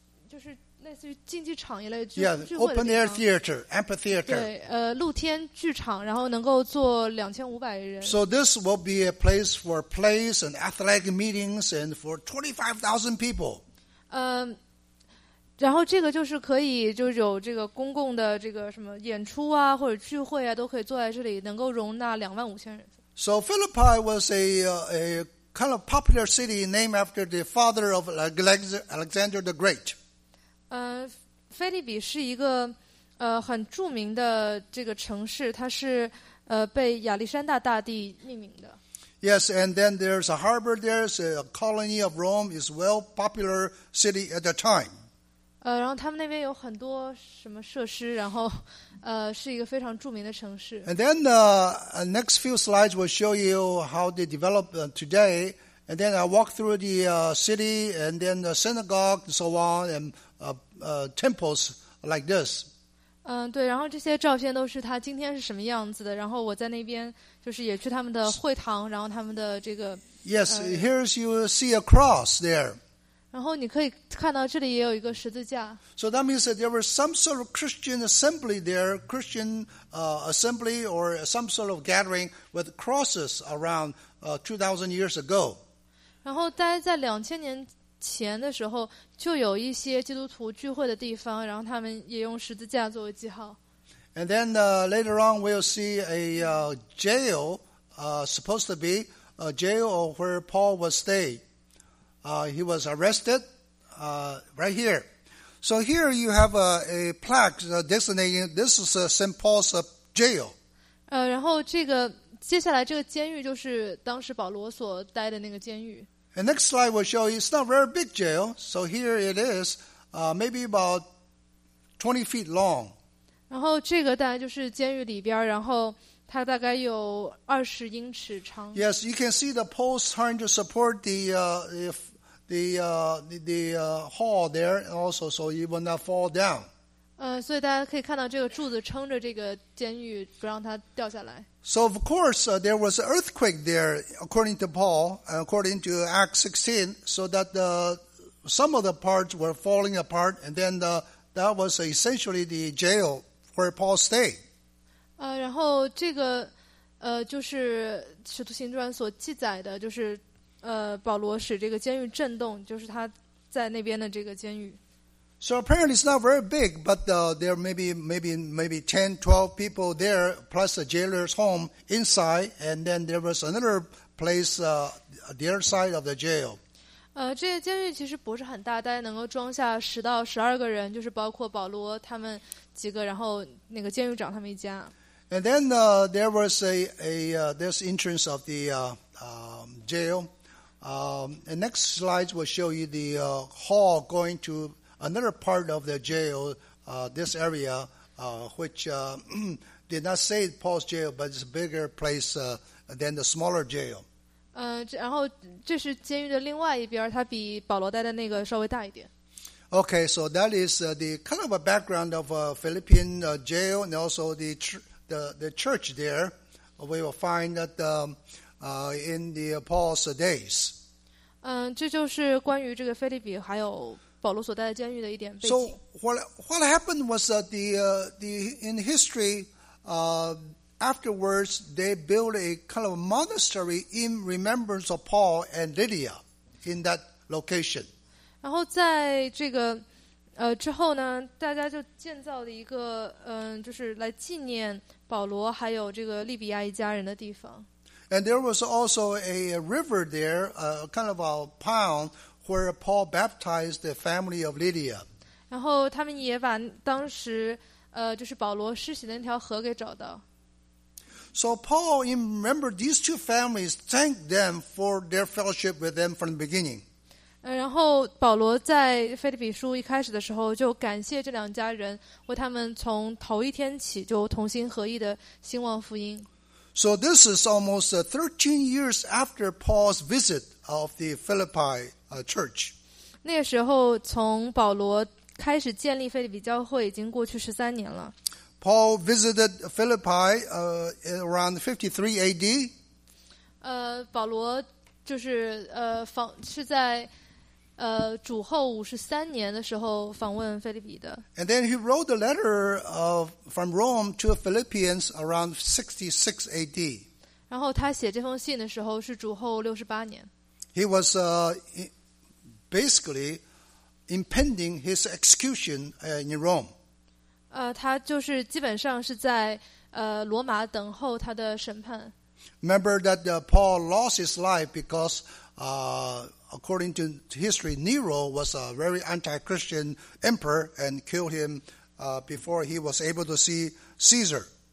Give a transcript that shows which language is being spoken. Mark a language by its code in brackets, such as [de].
[zh] 就是类似于竞技场一类聚会的地方。 [en] Yeah, open air theater, amphitheater. [zh] 对，露天剧场，然后能够坐2500人。 [en] So this will be a place for plays and athletic meetings and for 25,000 people. [zh] 然后这个就是可以就有这个公共的这个什么演出啊或者聚会啊都可以坐在这里，能够容纳25,000人。 [en] So Philippi was a kind of popular city named after the father of Alexander the Great. [zh] 腓立比是一个很著名的这个城市，它是被亚历山大大帝命名的。 [en] Yes, and then there's a harbor there, so a colony of Rome is well popular city at the time. [zh] 然后他们那边有很多什么设施，然后是一个非常著名的城市。 [en] And then the next few slides will show you how they develop today. And then I walk through the city, and then the synagogue, and so on, and temples like this. [zh] 对，然后这些照片都是他今天是什么样子的。然后我在那边就是也去他们的会堂，然后他们的这个。 [en] Yes, here's you see a cross there. [zh] 然后你可以看到这里也有一个十字架。 [en] So that means that there was some sort of Christian assembly there, Christian assembly or some sort of gathering with crosses around 2,000 years ago. [zh] 然后大家在2000年前的时候就有一些基督徒聚会的地方，然后他们也用十字架作为记号。 [en] And then later on we'll see a jail supposed to be a jail where Paul was stayed. He was arrested right here. So here you have a plaque designating this is St. Paul's jail. [zh] 然后这个接下来这个监狱就是当时保罗所待的那个监狱。 [en] The next slide will show you it's not a very big jail, so here it is, maybe about 20 feet long. [zh] 然后这个大概就是监狱里边，然后它大概有20英尺长。 [en] Yes, you can see the poles trying to support the hall there also, so it will not fall down. [zh] 所以大家可以看到这个柱子撑着这个监狱，不让它掉下来。 [en] So of course, there was an earthquake there, according to Paul, according to Acts 16, so that some of the parts were falling apart, and then that was essentially the jail where Paul stayed. [zh] 然后这个就是《使徒行传》所记载的，就是保罗使这个监狱震动，就是他在那边的这个监狱。 [en] So apparently it's not very big, but there may be maybe 10, 12 people there, plus the jailer's home inside, and then there was another place the other side of the jail. [zh] 这监狱其实不是很大，大概能够装下10到12个人，就是包括保罗他们几个，然后那个监狱长他们一家。 [en] And then there was this entrance of the jail. The next slide will show you the hall going to another part of the jail, this area, which did not say Paul's jail, but it's a bigger place than the smaller jail. [zh] 然后这是监狱的另外一边，它比保罗待的那个稍微大一点。 [en] Okay, so that is the kind of a background of a Philippian jail, and also the church there. We will find that in the Paul's days. [zh] 这就是关于这个腓立比还有保罗所待的监狱的一点背景。 [en] So what happened was in history, afterwards they built a kind of a monastery in remembrance of Paul and Lydia in that location. [zh] 然后在这个之后呢，大家就建造了一个就是来纪念保罗还有这个利比亚一家人的地方。 [en] And there was also a river there, kind of a pond. Where Paul baptized the family of Lydia. [zh] 然后他们也把当时就是保罗施洗的那条河给找到。 [en] So Paul, in remember these two families, thanked them for their fellowship with them from the beginning. [zh] 然后保罗在腓立比书一开始的时候就感谢这两家人，为他们从头一天起就同心合意的兴旺福音。 [en] So this is almost 13 years after Paul's visit of the Philippi. Church. [zh] 那时候从保罗开始建立腓立比教会已经过去13年了。 [en] Paul visited Philippi around 53 AD. [zh] 保罗就是是在主后53年的时候访问腓立比的。 [en] And then he wrote a letter from Rome to Philippians around 66 AD. [zh] 然后他写这封信的时候是主后68年。 [en] He was basically impending his execution in Rome. [zh] 他就是基本上是在罗马等候他的审判。 [en] Remember that Paul lost his life because according to history, Nero was a very anti-Christian emperor and killed him before he was able to see Caesar.